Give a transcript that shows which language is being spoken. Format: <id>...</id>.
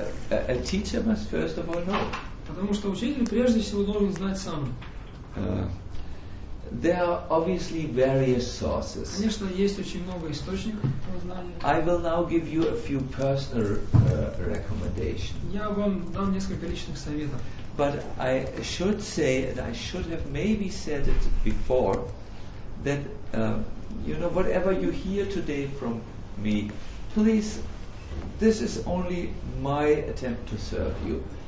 <en>A teacher must first of all know.</en> <ru>Потому что учитель прежде всего должен знать сам.</ru> <en>There are obviously various sources.</en> <ru>Конечно, есть очень много источников знания.</ru> <en>I will now give you a few personal recommendations.</en> <ru>Я вам дам несколько личных советов.</ru> <en>But I should say, and I should have maybe said it before, that you know, whatever you hear today from me, please, this is only my attempt to serve you.</en>